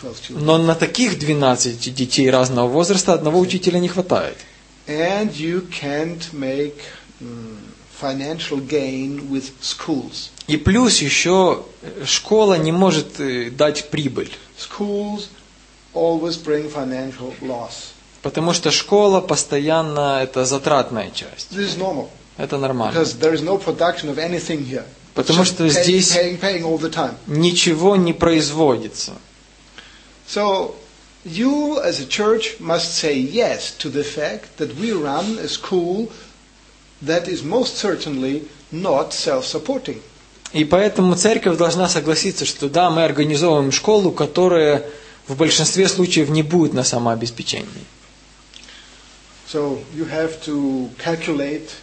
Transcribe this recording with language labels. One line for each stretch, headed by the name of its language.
Russian: Но на таких 12 детей разного возраста одного учителя не хватает.
English: And you can't make financial gain with schools.
Russian: И плюс еще школа не может дать прибыль.
English: Schools always bring financial loss.
Russian: Потому что школа постоянно это затратная часть.
English: This is normal.
Russian: Это нормально.
English: Because there is no production of anything here.
Russian: Потому что здесь
English: paying all the time.
Russian: Ничего не производится.
English: So you as a church must say yes to the fact that we run a school that is most certainly not self-supporting.
Russian: И поэтому церковь должна согласиться, что да, мы организовываем школу, которая в большинстве случаев не будет на самообеспечении.
English: So you have to calculate.